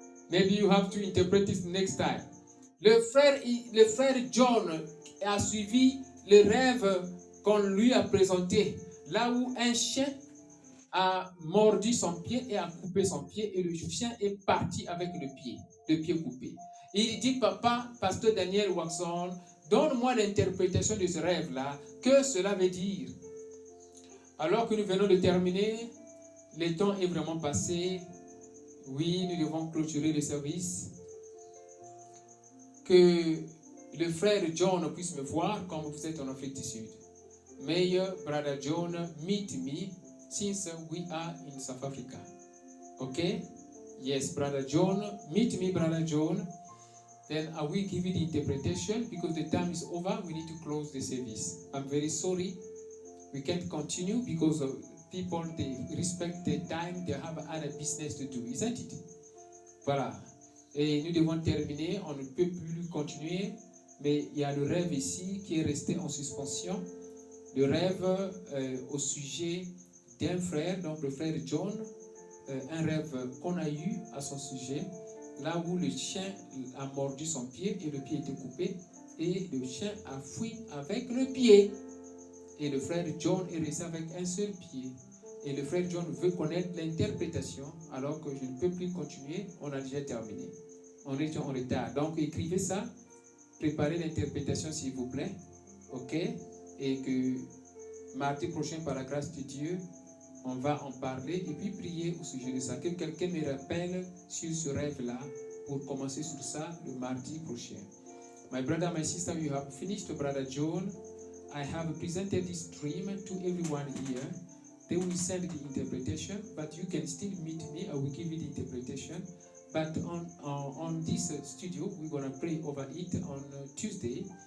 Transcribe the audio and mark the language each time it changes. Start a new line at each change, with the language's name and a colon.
English: Maybe you have to interpret it next time.
French: Le frère John a suivi le rêve qu'on lui a présenté. Là où un chien a mordu son pied et a coupé son pied, et le chien est parti avec le pied coupé. Il dit, papa, pasteur Daniel Watson, donne-moi l'interprétation de ce rêve-là, que cela veut dire? Alors que nous venons de terminer, le temps est vraiment passé. Oui, nous devons clôturer le service. Que le frère John puisse me voir comme vous êtes en Afrique du Sud.
English: May brother John meet me since we are in South Africa. Okay? Yes, Brother John. Meet me, Brother John. Then I will give you the interpretation because the time is over. We need to close the service. I'm very sorry. We can't continue because of people, they respect the time. They have other business to do, isn't it?
French: Voilà. Et nous devons terminer. On ne peut plus continuer. Mais il y a le rêve ici qui est resté en suspension. Le rêve au sujet d'un frère, donc le frère John, un rêve qu'on a eu à son sujet, là où le chien a mordu son pied et le pied était coupé, et le chien a fui avec le pied. Et le frère John est resté avec un seul pied. Et le frère John veut connaître l'interprétation, alors que je ne peux plus continuer, on a déjà terminé. On est en retard. Donc écrivez ça, préparez l'interprétation s'il vous plaît, ok? Et que mardi prochain, par la grâce de Dieu, on va en parler et puis prier au sujet de ça. Que quelqu'un me rappelle sur ce rêve-là pour commencer sur ça le mardi prochain.
English: My brother, my sister, you have finished, Brother John. I have presented this dream to everyone here. They will send the interpretation, but you can still meet me. I will give you the interpretation. But on this studio, we're going to pray over it on Tuesday.